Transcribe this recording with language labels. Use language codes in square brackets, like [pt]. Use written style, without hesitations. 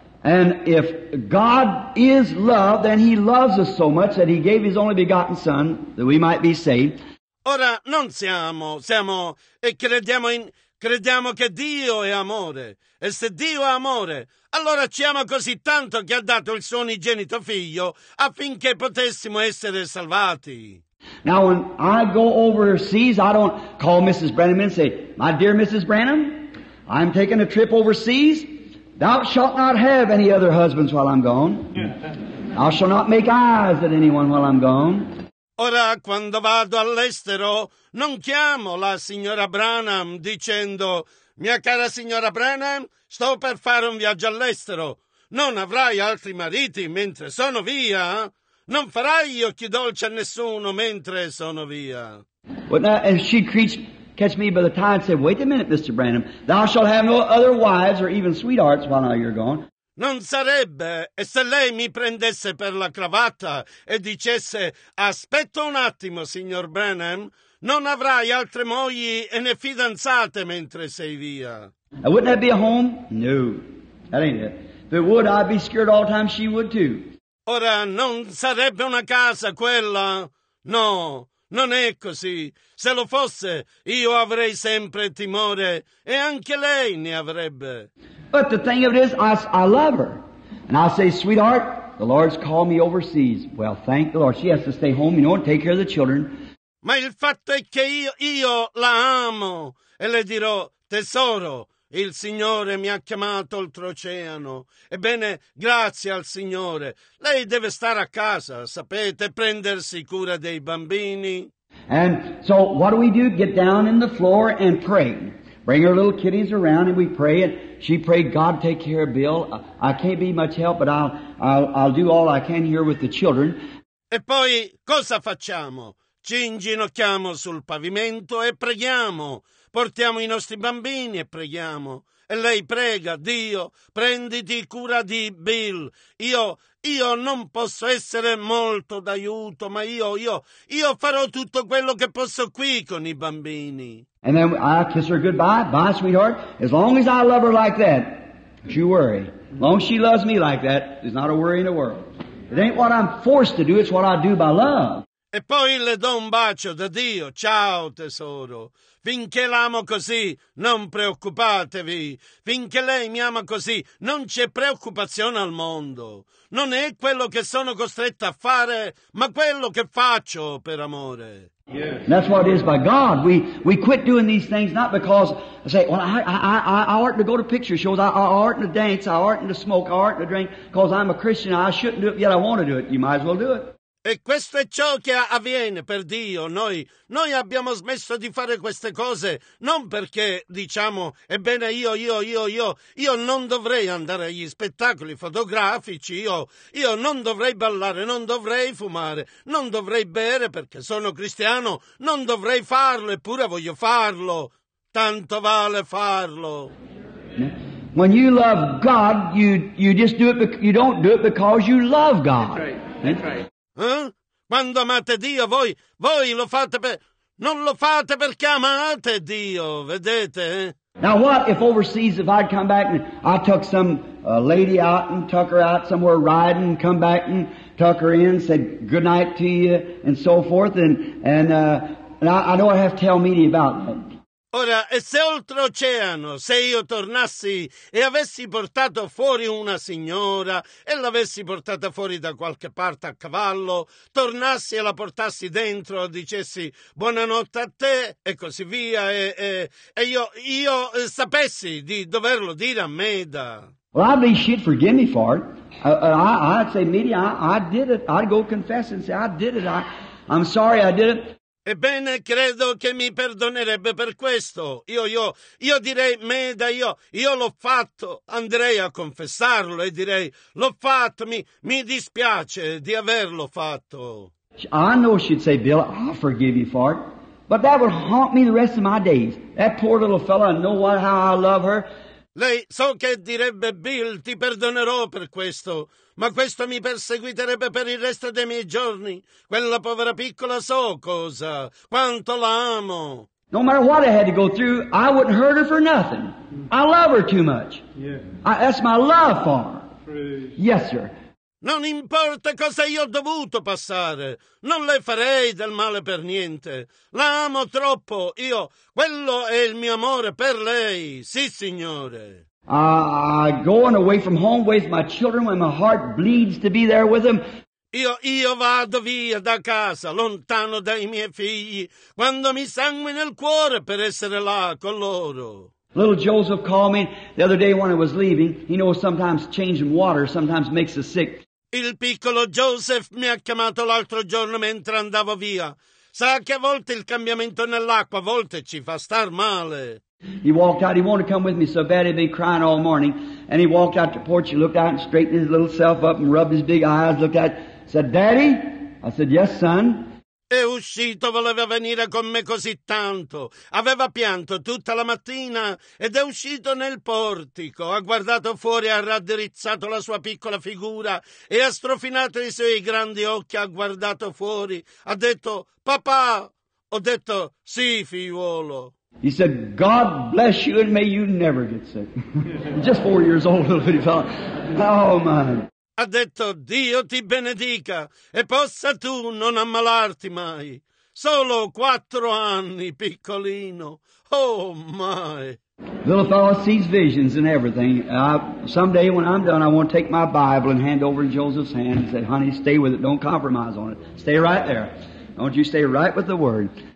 [en] And if God is love, then he loves us so much that he gave his only begotten son that we might be saved. [it] Ora non siamo e crediamo che Dio è amore. E se Dio è amore, allora ci ama così tanto che ha dato il suo unigenito figlio affinché potessimo essere salvati. [en] Now when I go overseas, I don't call Mrs. Branham and say, "My dear Mrs. Branham, I'm taking a trip overseas. Thou shalt not have any other husbands while I'm gone. Thou shalt not make eyes at anyone while I'm gone." [it] Ora, quando vado all'estero, non chiamo la signora Branham dicendo, "Mia cara signora Branham, sto per fare un viaggio all'estero. Non avrai altri mariti mentre sono via. Non farai gli occhi dolci a nessuno mentre sono via." [en] But now, and she creeps. Catch me by the tie and say, "Wait a minute, Mr. Branham, thou shalt have no other wives or even sweethearts while now you're gone." [it] Non sarebbe, e se lei mi prendesse per la cravatta e dicesse, "Aspetta un attimo, signor Branham, non avrai altre mogli e né fidanzate mentre sei via." [en] Now, wouldn't that be a home? No, that ain't it. If it would, I'd be scared all the time, she would too. [it] Ora, non sarebbe una casa quella? No. Non è così. Se lo fosse, io avrei sempre timore e anche lei ne avrebbe. [en] But the thing of it is, I love her. And I say, "Sweetheart, the Lord's called me overseas." Well, thank the Lord. She has to stay home, you know, and take care of the children. [it] Ma il fatto è che io la amo e le dirò, "Tesoro, il Signore mi ha chiamato oltreoceano. Ebbene, grazie al Signore. Lei deve stare a casa, sapete, prendersi cura dei bambini." [en] And so what do? Get down in the floor and pray. Bring her little kitties around and we pray. And she prayed, God, take care of Bill. I can't be much help, but I'll do all I can here with the children. [it] E poi cosa facciamo? Ci inginocchiamo sul pavimento e preghiamo. Portiamo i nostri bambini e preghiamo. E lei prega, Dio, prenditi cura di Bill. Io non posso essere molto d'aiuto, ma io farò tutto quello che posso qui con i bambini. [en] And then I kiss her goodbye. Bye, sweetheart. As long as I love her like that, don't you worry. As long as she loves me like that, there's not a worry in the world. It ain't what I'm forced to do, it's what I do by love. [it] E poi le do un bacio da Dio. Ciao, tesoro. Finché l'amo così, non preoccupatevi. Finché lei mi ama così, non c'è preoccupazione al mondo. Non è quello che sono costretto a fare, ma quello che faccio per amore. [en] And that's what it is by God. We quit doing these things not because I say, well, I oughtn't to go to picture shows. I oughtn't to dance. I oughtn't to smoke. I oughtn't to drink because I'm a Christian. I shouldn't do it, yet I want to do it. You might as well do it. [it] E questo è ciò che avviene per Dio. Noi abbiamo smesso di fare queste cose non perché diciamo, ebbene io non dovrei andare agli spettacoli fotografici, io non dovrei ballare, non dovrei fumare, non dovrei bere perché sono cristiano, non dovrei farlo, eppure voglio farlo, tanto vale farlo. [en] When you love God, you just do it, you don't do it because you love God. That's right. [it] Quando amate Dio, voi lo fate per... non lo fate perché amate Dio, vedete? [en] Now what if overseas, if I'd come back and I took some lady out and tuck her out somewhere riding, come back and tuck her in, said goodnight to you and so forth, and I don't have to tell media about that. [it] Ora, e se oltreoceano, se io tornassi e avessi portato fuori una signora e l'avessi portata fuori da qualche parte a cavallo, tornassi e la portassi dentro, dicessi buonanotte a te e così via, e io sapessi di doverlo dire a Meda. [en] Well, I'd be she'd forgive me for it. I'd say, Meda, I did it. I'd go confess and say, I did it. I'm sorry, I did it. [it] Ebbene, credo che mi perdonerebbe per questo. Io direi, Meda, io l'ho fatto. Andrei a confessarlo e direi, l'ho fatto, mi dispiace di averlo fatto. [en] I know she'd say, Bill, I'll forgive you for it. But that would haunt me the rest of my days. That poor little fella, I know what, how I love her. [it] Lei so che direbbe, Bill, ti perdonerò per questo. Ma questo mi perseguiterebbe per il resto dei miei giorni. Quella povera piccola so cosa. Quanto la amo. [en] No matter what I had to go through, I wouldn't hurt her for nothing. I love her too much. Yeah. That's my love for her. Yes, sir. [it] Non importa cosa io ho dovuto passare. Non le farei del male per niente. La amo troppo. Io, quello è il mio amore per lei. Sì, signore. [en] I go on away from home, away from my children, when my heart bleeds to be there with them. [it] Io vado via da casa, lontano dai miei figli, quando mi sangue nel cuore per essere là con loro. [en] Little Joseph called me the other day when I was leaving. He knows sometimes changing water sometimes makes us sick. [it] Il piccolo Joseph mi ha chiamato l'altro giorno mentre andavo via. Sa che a volte il cambiamento nell'acqua a volte ci fa star male. [en] He walked out, he wanted to come with me so bad he'd been crying all morning. And he walked out the porch, he looked out and straightened his little self up and rubbed his big eyes, looked out, said, Daddy? I said, Yes, son. [it] È uscito, voleva venire con me così tanto. Aveva pianto tutta la mattina ed è uscito nel portico. Ha guardato fuori, ha raddrizzato la sua piccola figura e ha strofinato i suoi grandi occhi, ha guardato fuori. Ha detto, Papà! Ho detto, Sì, figliuolo. [en] He said, God bless you and may you never get sick. Just 4 years old, little bitty fella. Oh, my. [it] Ha detto, Dio ti benedica e possa tu non ammalarti mai. Solo 4 anni, piccolino. [en] Oh, my. Little fella sees visions and everything. Someday when I'm done, I want to take my Bible and hand over in Joseph's hand and say, honey, stay with it. Don't compromise on it. Stay right there. Don't you stay right with the Word.